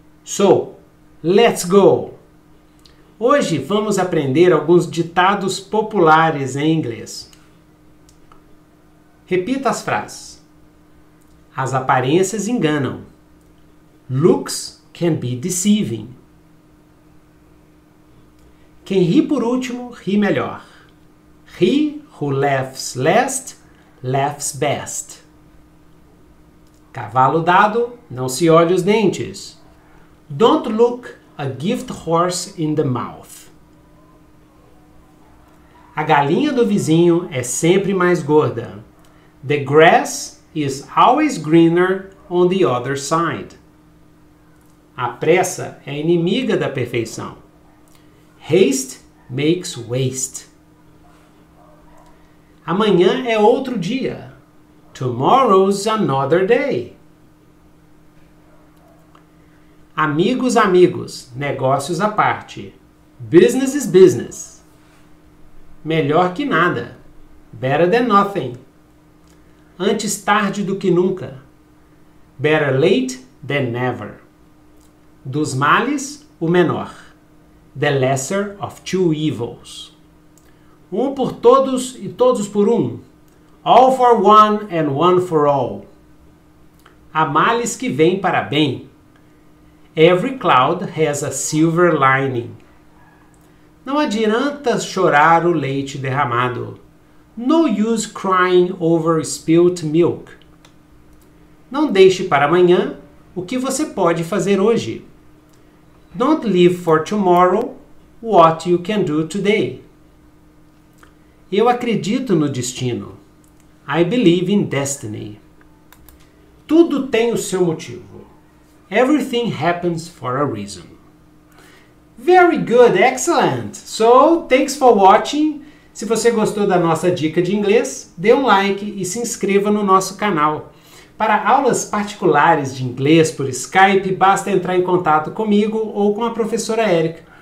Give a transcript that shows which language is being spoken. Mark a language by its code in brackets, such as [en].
[en] So, let's go! [pt] Hoje vamos aprender alguns ditados populares em inglês. Repita as frases. As aparências enganam. [en] Looks can be deceiving. [pt] Quem ri por último, ri melhor. [en] He who laughs last, laughs best. [pt] Cavalo dado, não se olha os dentes. [en] Don't look a gift horse in the mouth. [pt] A galinha do vizinho é sempre mais gorda. [en] The grass is always greener on the other side. [pt] A pressa é inimiga da perfeição. [en] Haste makes waste. [pt] Amanhã é outro dia. [en] Tomorrow's another day. [pt] Amigos, amigos, negócios à parte. [en] Business is business. [pt] Melhor que nada. [en] Better than nothing. [pt] Antes tarde do que nunca. [en] Better late than never. [pt] Dos males, o menor. [en] The lesser of two evils. [pt] Um por todos e todos por um. [en] All for one and one for all. [pt] Há males que vêm para bem. [en] Every cloud has a silver lining. [pt] Não adianta chorar o leite derramado. [en] No use crying over spilt milk. [pt] Não deixe para amanhã o que você pode fazer hoje. [en] Don't leave for tomorrow what you can do today. [pt] Eu acredito no destino. [en] I believe in destiny. [pt] Tudo tem o seu motivo. [en] Everything happens for a reason. Very good, excellent. So, thanks for watching. [pt] Se você gostou da nossa dica de inglês, dê um like e se inscreva no nosso canal. Para aulas particulares de inglês por Skype, basta entrar em contato comigo ou com a professora Erica.